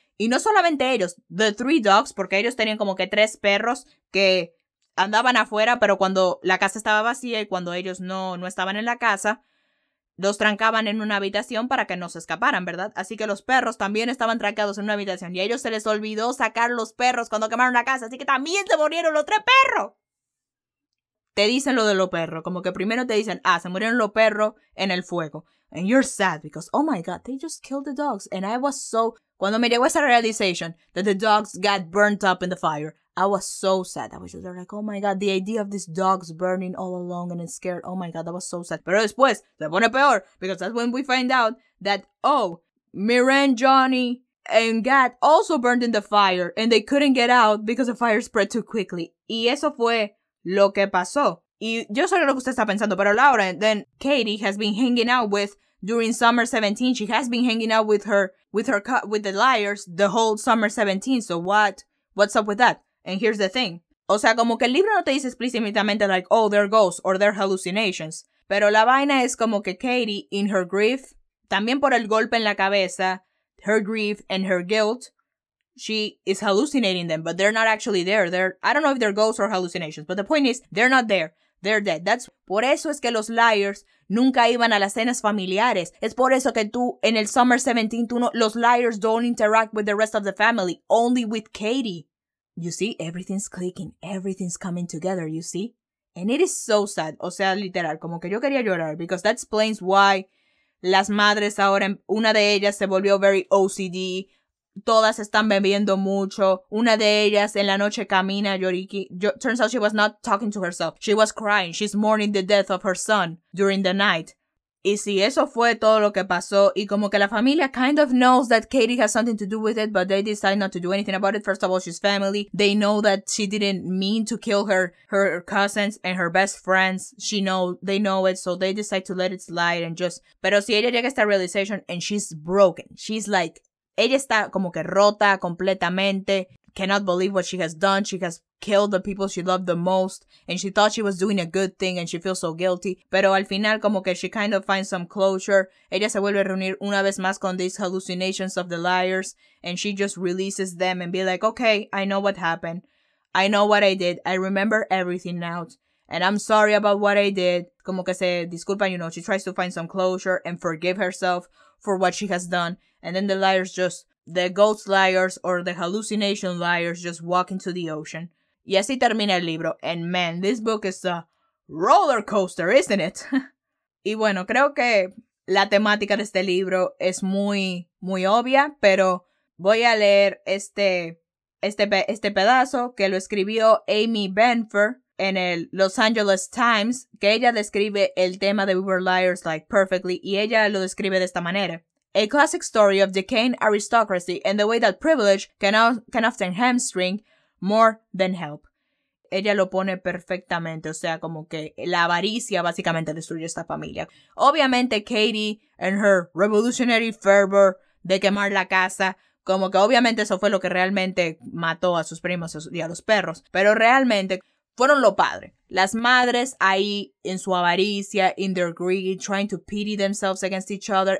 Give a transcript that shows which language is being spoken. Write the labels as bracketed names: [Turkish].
[Spanish] Y no solamente ellos, [English] the three dogs, [Spanish] porque ellos tenían como que tres perros que andaban afuera, pero cuando la casa estaba vacía y cuando ellos no estaban en la casa, los trancaban en una habitación para que no se escaparan, ¿verdad? Así que los perros también estaban trancados en una habitación y a ellos se les olvidó sacar los perros cuando quemaron la casa, así que también se murieron los tres perros. Te dicen lo de los perros, como que primero te dicen, se murieron los perros en el fuego. [English] And you're sad because, oh my God, they just killed the dogs. And I was so, [Spanish] cuando me llegó esa [English] realization that the dogs got burnt up in the fire, I was so sad. I was just like, oh my God, the idea of these dogs burning all along and scared. Oh my God, that was so sad. [Spanish] Pero después, se pone peor, [English] because that's when we find out that, oh, Mirren, Johnny, and Gat also burned in the fire and they couldn't get out because the fire spread too quickly. [Spanish] Y eso fue lo que pasó. Y yo sé lo que usted está pensando, pero Laura, [English] then Katie has been hanging out with during summer 17. She has been hanging out with the liars the whole summer 17. So what's up with that? And here's the thing. [Spanish] O sea, como que el libro no te dice explícitamente [English] like, oh, they're ghosts or they're hallucinations. [Spanish] Pero la vaina es como que Katie, [English] in her grief, [Spanish] también por el golpe en la cabeza, [English] her grief and her guilt, she is hallucinating them, but they're not actually there. I don't know if they're ghosts or hallucinations, but the point is, they're not there. They're dead. That's [Spanish] por eso es que los liars nunca iban a las cenas familiares. Es por eso que tú, en el summer 17, los liars [English] don't interact with the rest of the family, only with Katie. You see, everything's clicking, everything's coming together, you see? And it is so sad, [Spanish] o sea, literal, como que yo quería llorar, [English] because that explains why [Spanish] las madres ahora, una de ellas se volvió [English] very OCD, [Spanish] todas están bebiendo mucho. Una de ellas en la noche camina lloriqui. [English] Turns out she was not talking to herself. She was crying. She's mourning the death of her son during the night. [Spanish] Y si eso fue todo lo que pasó, y como que la familia [English] kind of knows that Katie has something to do with it, but they decide not to do anything about it. First of all, she's family. They know that she didn't mean to kill her cousins and her best friends. They know it, so they decide to let it slide and just... [Spanish] Pero si ella llega a esta realization [English] and she's broken, she's like... [Spanish] Ella está como que rota completamente. [English] Cannot believe what she has done. She has killed the people she loved the most. And she thought she was doing a good thing. And she feels so guilty. [Spanish] Pero al final como que [English] she kind of finds some closure. [Spanish] Ella se vuelve a reunir una vez más con [English] these hallucinations of the liars. And she just releases them and be like, okay, I know what happened. I know what I did. I remember everything now. And I'm sorry about what I did. [Spanish] Como que se disculpa, [English] you know. She tries to find some closure and forgive herself for what she has done. And then the liars just... The ghost liars or the hallucination liars just walk into the ocean. [Spanish] Y así termina el libro. [English] And man, this book is a roller coaster, isn't it? [Spanish] Y bueno, creo que la temática de este libro es muy, muy obvia. Pero voy a leer este pedazo que lo escribió Amy Benfer en el Los Angeles Times. Que ella describe el tema de We Were Liars [English] like perfectly. [Spanish] Y ella lo describe de esta manera. [English] A classic story of decaying aristocracy and the way that privilege can often hamstring more than help. [Spanish] Ella lo pone perfectamente, o sea, como que la avaricia básicamente destruye esta familia. Obviamente, Katie [English] and her revolutionary fervor [Spanish] de quemar la casa, como que obviamente eso fue lo que realmente mató a sus primos y a los perros, pero realmente fueron los padres. Las madres ahí en su avaricia, [English] in their greed, trying to pity themselves against each other.